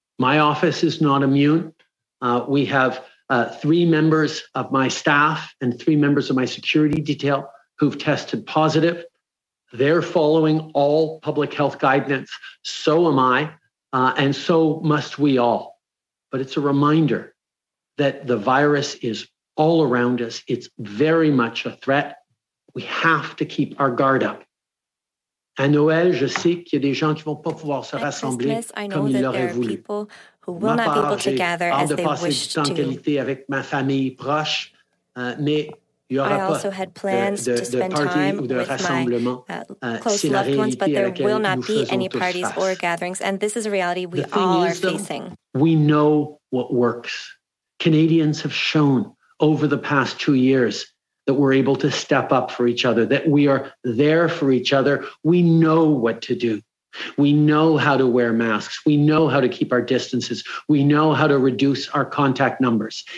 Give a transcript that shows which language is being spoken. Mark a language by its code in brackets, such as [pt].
[en] My office is not immune. We have three members of my staff and three members of my security detail who've tested positive. They're following all public health guidance. So am I, and so must we all. But it's a reminder that the virus is all around us. It's very much a threat. We have to keep our guard up. [fr] À Noël, je sais qu'il y a des gens qui vont pas pouvoir se rassembler comme ils l'auraient voulu. Ma part, j'ai hâte de passer du temps de qualité avec ma famille proche, mais il n'y aura pas de party ou de rassemblement. C'est la réalité à laquelle nous faisons tous face. [en] We know what works. Canadians have shown over the past 2 years that we're able to step up for each other, that we are there for each other. We know what to do. We know how to wear masks. We know how to keep our distances. We know how to reduce our contact numbers.